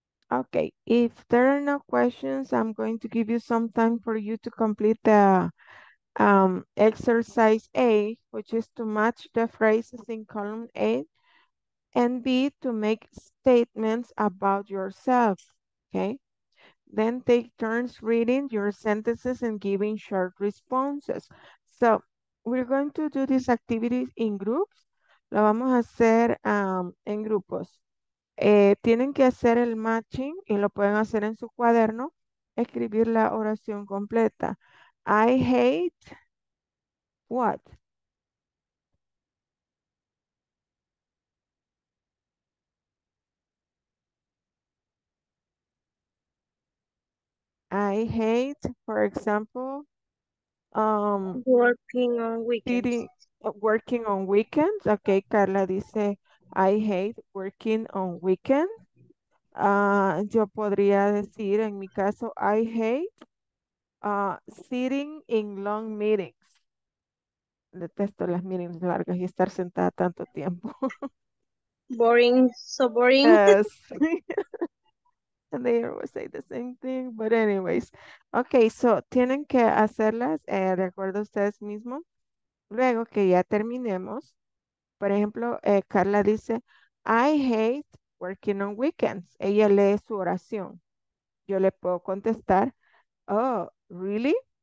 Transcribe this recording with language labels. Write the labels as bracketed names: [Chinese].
[English] Okay, if there are no questions, I'm going to give you some time for you to complete the exercise A, which is to match the phrases in column A, and B, to make statements about yourself, okay? Then take turns reading your sentences and giving short responses. So, we're going to do this activity in groups. [Spanish] Lo vamos a hacer en grupos. Tienen que hacer el matching y lo pueden hacer en su cuaderno. Escribir la oración completa. [English] I hate what? I hate, for example, working on weekends. Okay, Carla dice, I hate working on weekends. [Spanish] Yo podría decir, en mi caso, [English] I hate sitting in long meetings. [Spanish] Detesto las meetings largas y estar sentada tanto tiempo. [English] Boring, so boring. Yes. And they always say the same thing, but anyways. [Spanish] Okay, so tienen que hacerlas de acuerdo a ustedes mismos. Luego que ya terminemos, por ejemplo, Carla dice, [English] I hate working on weekends. [Spanish] Ella lee su oración. Yo le puedo contestar, [English] oh, really?